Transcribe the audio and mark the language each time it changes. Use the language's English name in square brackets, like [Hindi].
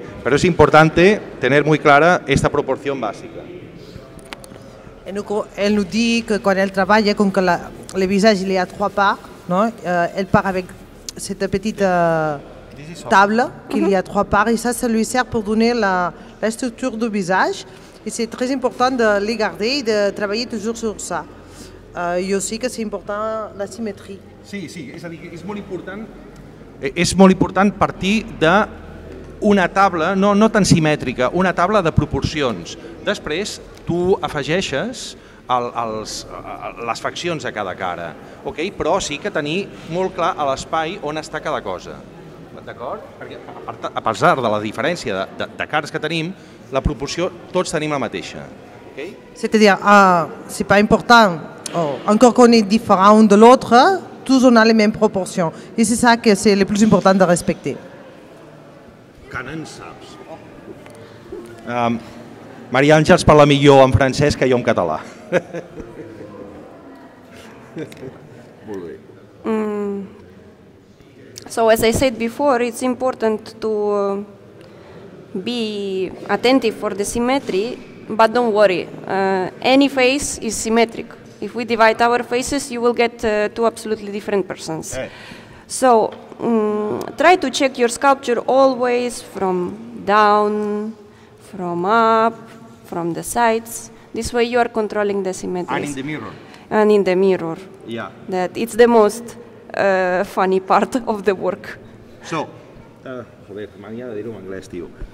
[Spanish] Pero es importante tener muy clara esta proporción básica. Él nos dice que cuando él trabaja con que el visage tiene tres partes, ¿no? Él parte con esta pequeña tabla que tiene tres partes y eso le sirve para dar la estructura del visage. [French] Et c'est très important de les garder et de travailler toujours sur ça. Et aussi que c'est important la symétrie. [Catalan] Sí, sí, és a dir, és molt important. És molt important partir d'una tabla, no tan simètrica, una tabla de proporcions. Després, tu afegeixes les faccions a cada cara, okay? Però sí que tenir molt clar a l'espai on està cada cosa. D'acord? Perquè a pesar de la diferència de cares que tenim, la proporció, tots tenim la mateixa. Okay? [French] C'est-à-dire, ah, c'est pas important. Oh, encore qu'on est différent de l'autre, tous on a les mêmes proportions. Et c'est ça que c'est le plus important de respecter. [Catalan] Quand en saps. Maria Àngels parla millor en francès que jo en català. Molt bé. [English] So as I said before, it's important to be attentive for the symmetry, but don't worry. Any face is symmetric. If we divide our faces, you will get two absolutely different persons. So try to check your sculpture always from down, from up, from the sides. This way you are controlling the symmetry. And in the mirror. And in the mirror. Yeah. That it's the most funny part of the work. [Catalan] So, joder, m'havia de dir-ho en anglès, tio.